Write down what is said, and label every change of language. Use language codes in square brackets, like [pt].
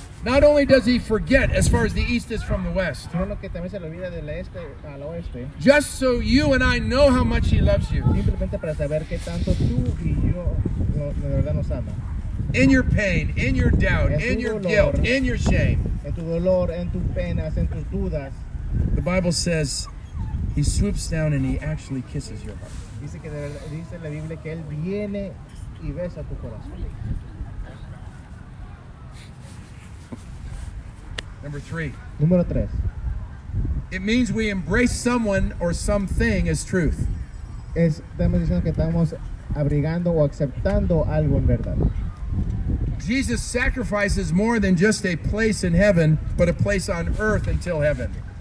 [en] not only does he forget as far as the east is from the west, [es] sino que también se le olvida del este al oeste, [en] just so you and I know how much he loves you. [es] Simplemente para saber que tanto tú y yo de verdad nos ama. [en] In your pain, in your doubt, in your [es] dolor, [en] guilt, in your shame, [es] en tu dolor, en tus penas, en tus dudas, [en] the Bible says he swoops down and he actually kisses your heart. [es] Dice que dice la Biblia que él viene y besa tu corazón. Número 3. [en] It means we embrace someone or something as truth. [es] Estamos diciendo que estamos abrigando o aceptando algo en verdad. [en] Jesus sacrifices more than just a place in heaven, but a place on earth until heaven.